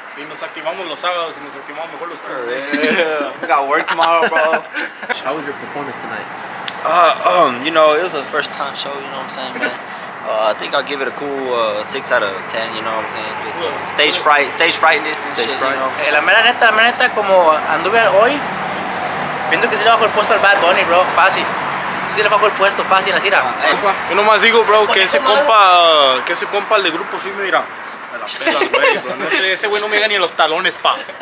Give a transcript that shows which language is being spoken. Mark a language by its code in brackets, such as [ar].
[es] Y nos activamos los sábados y nos activamos mejor los Tuesdays. [en] We got work tomorrow, bro. How was your performance tonight? You know, it was a first time show, you know what I'm saying, man? I think I'll give it a cool 6 out of 10, you know what I'm saying? Just stage frightness. You know what I'm saying? [es] La mera neta, como anduve hoy, pienso que sí le bajo el puesto al Bad Bunny, bro, fácil. Sí le bajo el puesto, fácil, así era. Yo nomás digo, bro, que ese compa el de grupo firme, mira. Pela, wey, ese güey no me gana ni en los talones, pa.